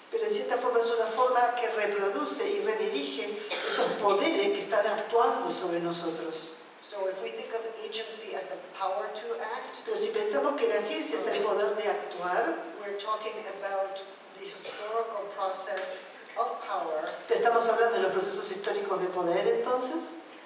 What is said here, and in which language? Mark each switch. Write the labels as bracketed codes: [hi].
[es] Pero en cierta forma es una forma que reproduce y redirige esos poderes que están actuando sobre nosotros. [en] So if we think of agency as the power to act, [es] pero si pensamos que la agencia es el poder de actuar, [en] we're talking about the historical process of power. [es] Estamos hablando de los procesos históricos de poder, entonces.